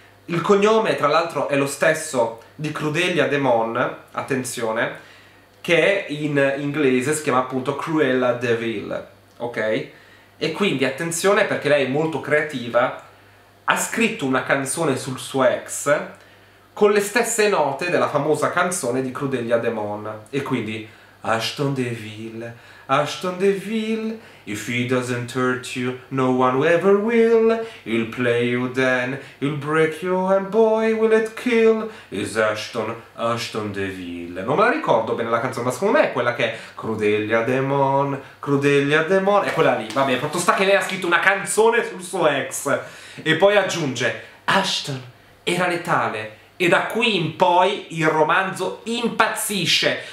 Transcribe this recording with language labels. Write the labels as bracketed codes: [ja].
[it] Il cognome, tra l'altro, è lo stesso di Crudelia Demon, attenzione, che in inglese si chiama appunto Cruella De Vil, ok? E quindi attenzione, perché lei è molto creativa, ha scritto una canzone sul suo ex con le stesse note della famosa canzone di Crudelia Demon. E quindi [en] Ashton De Vil, Ashton De Vil, if he doesn't hurt you, no one ever will. He'll play you then, he'll break you, and boy, will it kill. Is Ashton, Ashton De Vil. [it] Non me la ricordo bene la canzone, ma secondo me è quella che è Crudelia Demon, Crudelia Demon. È quella lì, vabbè, proprio sta che lei ha scritto una canzone sul suo ex. E poi aggiunge, Ashton era letale. E da qui in poi il romanzo impazzisce.